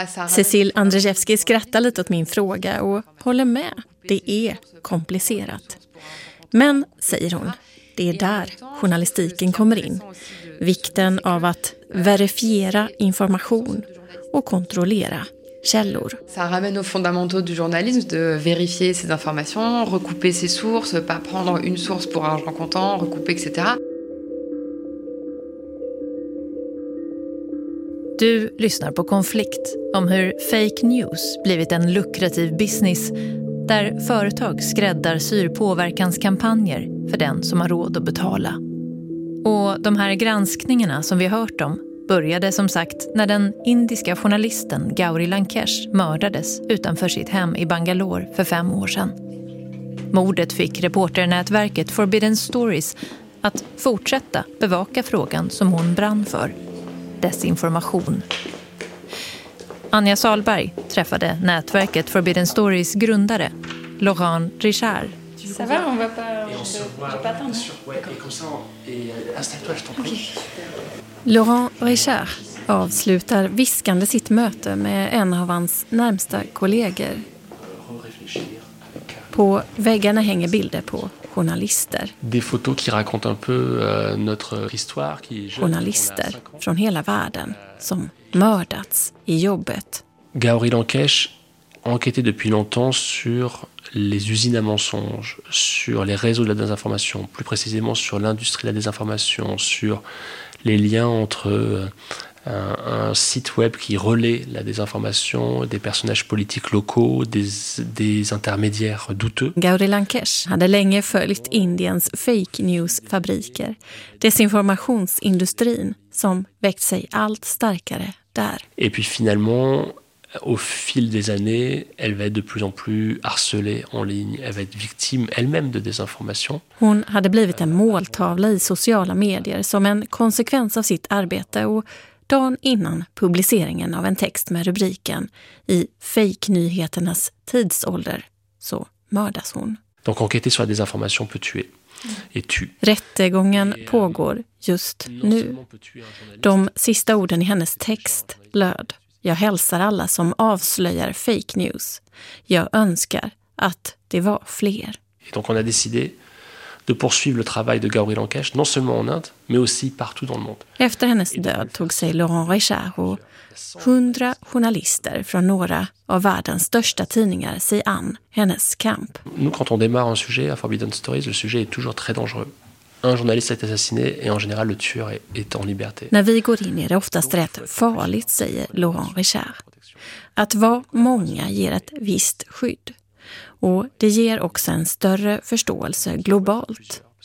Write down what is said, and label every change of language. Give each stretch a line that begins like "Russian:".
Swedish: Cecile Andrzejewski skrattar lite åt min fråga och håller med. Det är komplicerat. Men, säger hon, det är där journalistiken kommer in. Vikten av att verifiera information och kontrollera källor.
French: Ça ramène aux fondamentaux du journalisme de vérifier ces informations, recouper ses sources, pas prendre une source pour argent comptant, recouper etc.
Swedish: Du lyssnar på Konflikt om hur fake news blivit en lukrativ business där företag skräddarsyr påverkanskampanjer för den som har råd att betala. Och de här granskningarna som vi hört om började som sagt när den indiska journalisten Gauri Lankesh mördades utanför sitt hem i Bangalore för 5 år sedan. Mordet fick reporternätverket Forbidden Stories att fortsätta bevaka frågan som hon brann för, desinformation. Anja Salberg träffade nätverket Forbidden Stories grundare, Laurent Richard. Laurent Richard avslutar viskande sitt möte med en av hans närmsta kollegor. På väggarna hänger bilder på journalister.
French: Des photos qui racontent un peu notre histoire. Qui
Swedish: journalister från hela världen som mördats i jobbet.
French: Gauri Lankesh enquêtait depuis longtemps sur les usines à mensonges, sur les réseaux de la désinformation, plus précisément sur l'industrie de la désinformation, sur les liens entre un site web qui relaie la désinformation, des personnages politiques locaux, des intermédiaires douteux.
Swedish: Gauri Lankesh hade länge följt Indiens fake news-fabriker, desinformationsindustrin som växt sig allt starkare där.
French: Et puis finalement, au fil des années, elle va être de plus en plus harcelée en ligne. Elle va être victime elle-même de désinformation.
Swedish: Hon hade blivit en måltavla i sociala medier som en konsekvens av sitt arbete och dagen innan publiceringen av en text med rubriken i fake-nyheternas tidsålder så mördas hon.
French: Donc enquêter sur la désinformation peut tuer.
Swedish: Rättegången pågår just nu. De sista orden i hennes text löd: jag hälsar alla som avslöjar fake news. Jag önskar att det var fler.
French: Donc on a décidé de poursuivre le travail de Gauri Lankesh, non seulement en Inde, mais aussi partout dans le monde.
Swedish: Efter hennes död tog sig Laurent Richard och 100 journalister från några av världens största tidningar sig an hennes kamp.
French: Nous, quand on démarre un sujet à Forbidden Stories, le sujet est toujours très dangereux. Un journaliste est assassiné et en général le tueur est en liberté.
Swedish: När vi går in är det oftast rätt farligt, säger Laurent Richard. Att vara många ger ett visst skydd. Och det ger också en större förståelse globalt.